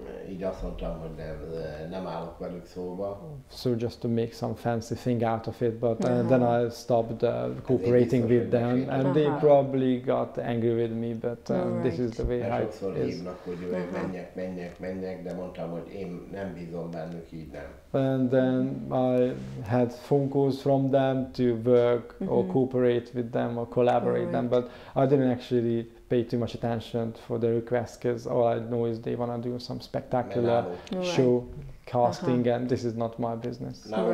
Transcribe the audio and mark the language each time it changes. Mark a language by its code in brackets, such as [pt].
[hu] Így azt mondtam, hogy nem állok velük szóba. [en] So just to make some fancy thing out of it, but then I stopped cooperating with them, and they probably got angry with me, but this is the way it is. [hu] Sokszor hívnak, hogy menjek, de mondtam, hogy én nem bízom bennük, így nem. [en] And then I had phone calls from them to work or cooperate with them or collaborate them, but I didn't actually pay too much attention for the request, because all I know is they want to do some spectacular show casting, and this is not my business.